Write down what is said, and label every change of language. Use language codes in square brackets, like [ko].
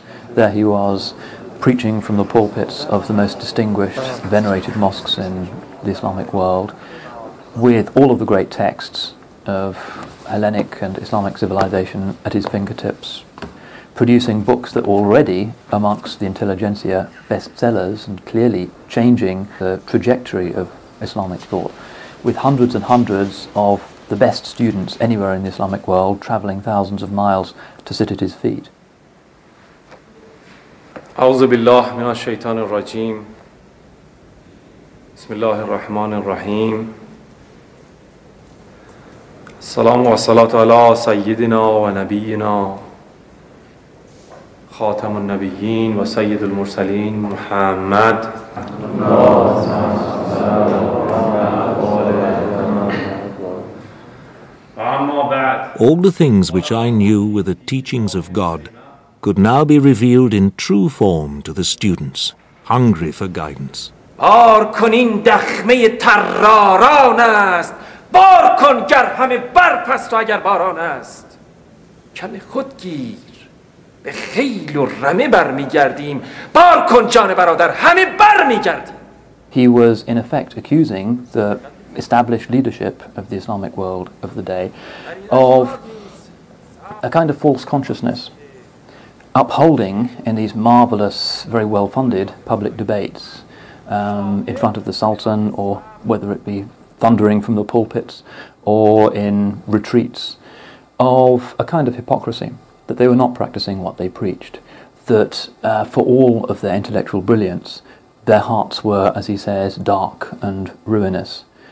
[en] There he was, preaching from the pulpits of the most distinguished, venerated mosques in the Islamic world, with all of the great texts of Hellenic and Islamic civilization at his fingertips, producing books that were already amongst the intelligentsia bestsellers and clearly changing the trajectory of Islamic thought, with hundreds and hundreds of the best students anywhere in the Islamic world traveling thousands of miles to sit at his feet. [ar] أعوذ بالله من الشيطان الرجيم بسم الله الرحمن الرحيم السلام والصلاة على سيدنا ونبينا خاتم النبيين وسيد المرسلين محمد [en] All the things which I knew were the teachings of God could now be revealed in true form to the students, hungry for guidance. [fa] بار کن این دخمه تراران است، بار کن گر همه برف است و اگر باران است. کم خود گیر، به خیل و رمه بر میگردیم، بار کن جان برادر همه بر میگردیم. [en] He was in effect accusing the established leadership of the Islamic world of the day of a kind of false consciousness, upholding in these marvelous, very well-funded public debates in front of the Sultan, or whether it be thundering from the pulpits or in retreats, of a kind of hypocrisy, that they were not practicing what they preached, that for all of their intellectual brilliance, their hearts were, as he says, dark and ruinous.